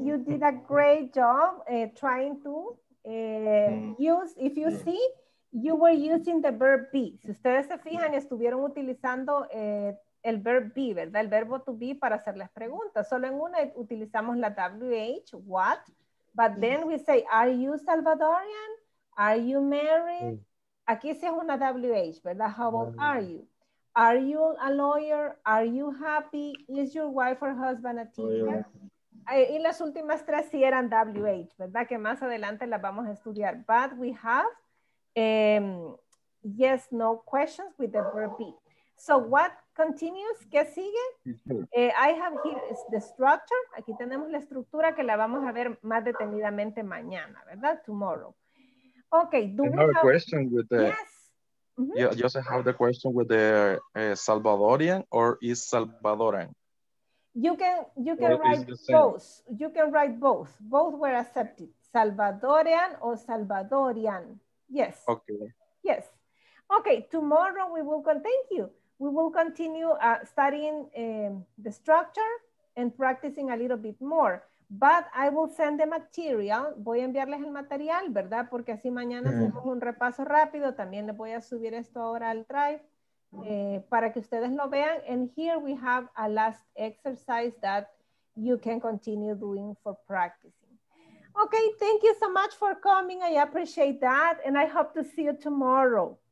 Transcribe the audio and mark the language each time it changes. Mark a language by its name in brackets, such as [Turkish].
[English] You did a great job trying to use, if you see, you were using the verb be. [Spanish] Si ustedes se fijan, estuvieron utilizando el verb be, ¿verdad? El verbo to be para hacer las preguntas. Solo en una utilizamos la WH, [English] what, but then we say, are you Salvadorian? Are you married? [Spanish] Aquí sí es una WH, ¿verdad? [English] How old are you? Are you a lawyer? Are you happy? Is your wife or husband a teacher? [Spanish] Y las últimas tres sí eran WH, ¿verdad? Que más adelante las vamos a estudiar. [English] But we have yes, no questions with the verb be. So what continues? [Spanish] ¿Qué sigue? [English] I have here is the structure. [Spanish] Aquí tenemos la estructura que la vamos a ver más detenidamente mañana, ¿verdad? [English] Tomorrow. Okay. Do we have a question with the... Yes. Mm-hmm. Yeah, just have the question with the Salvadorian or is Salvadoran? You can write both. You can write both. Both were accepted. Salvadorian or Salvadorian. Yes. Okay. Yes. Okay. Tomorrow we will thank you. We will continue studying the structure and practicing a little bit more. But I will send the material. [Spanish] Voy a enviarles el material, ¿verdad? Porque así mañana hacemos un repaso rápido. También les voy a subir esto ahora al Drive. Para que ustedes lo vean, [English] and here we have a last exercise that you can continue doing for practicing. Okay, thank you so much for coming. I appreciate that, and I hope to see you tomorrow.